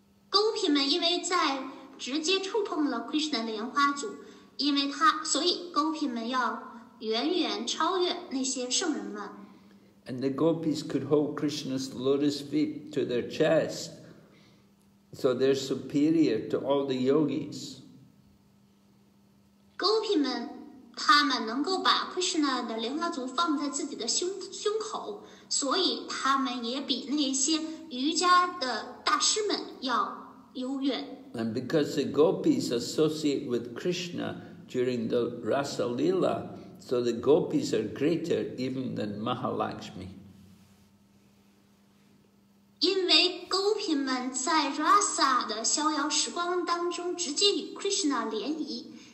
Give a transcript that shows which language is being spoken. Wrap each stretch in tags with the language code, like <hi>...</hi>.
<zh>Gopi 们因为在直接触碰了 Krishna 的莲花足，因为他，所以 gopi 们要远远超越那些圣人们。</zh> <en>And the gopis could hold Krishna's lotus feet to their chest, so they're superior to all the yogis.</en> <zh>Gopi 们。他们能够把 Krishna 的莲花足放在自己的胸口，所以他们也比那些瑜伽的大师们要优越。</zh> <en>And because the gopis associate with Krishna during the Rasa Lila, so the gopis are greater even than Mahalakshmi.</en> <zh>因为 gopi 们在 Rasa 的逍遥时光当中直接与 Krishna 联谊。</zh>